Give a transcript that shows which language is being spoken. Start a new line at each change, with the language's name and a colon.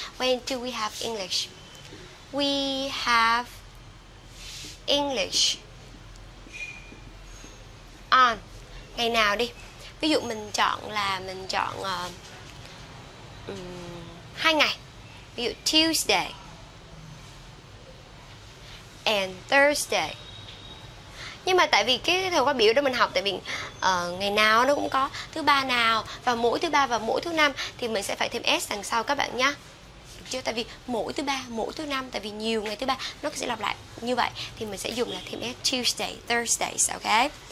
English: When do we have English? We have English on.
Vietnamese: Ngày nào đi? Ví dụ mình chọn là mình chọn hai ngày. Ví dụ Tuesday and Thursday. Nhưng mà tại vì cái thời khóa biểu đó mình học, tại vì ngày nào nó cũng có, thứ ba nào, và mỗi thứ ba và mỗi thứ năm, thì mình sẽ phải thêm S đằng sau các bạn nhá. Được chưa? Tại vì mỗi thứ ba, mỗi thứ năm, tại vì nhiều ngày thứ ba, nó sẽ lặp lại như vậy, thì mình sẽ dùng là thêm S, Tuesday, Thursday, ok?